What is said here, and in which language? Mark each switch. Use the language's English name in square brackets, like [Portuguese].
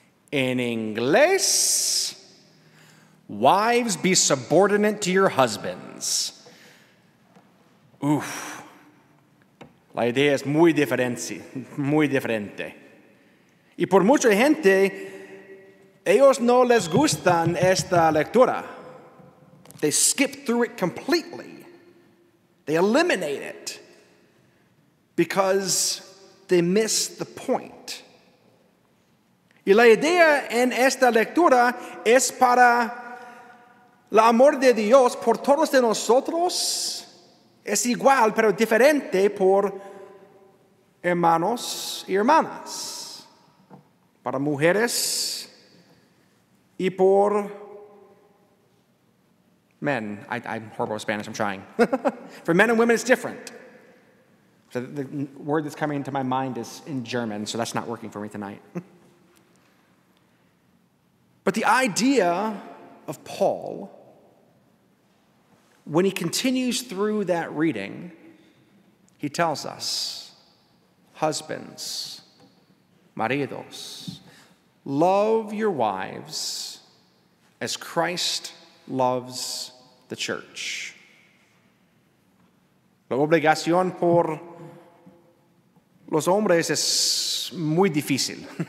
[Spanish] En inglés, [English] wives be subordinate to your husbands. [Spanish] Uf, la idea es muy diferente. Y por mucha gente, ellos no les gustan esta lectura. [English] They skip through it completely. They eliminate it because they miss the point. [Spanish] Y la idea en esta lectura es para el amor de Dios por todos de nosotros. Es igual, pero diferente por hermanos y hermanas, para mujeres y por men. [English] I'm horrible at Spanish, I'm trying. For men and women, it's different. So the word that's coming into my mind is in German, so that's not working for me tonight. But the idea of Paul, when he continues through that reading, he tells us, husbands, maridos, love your wives as Christ loves the church. [Spanish] La obligación por los hombres es muy difícil.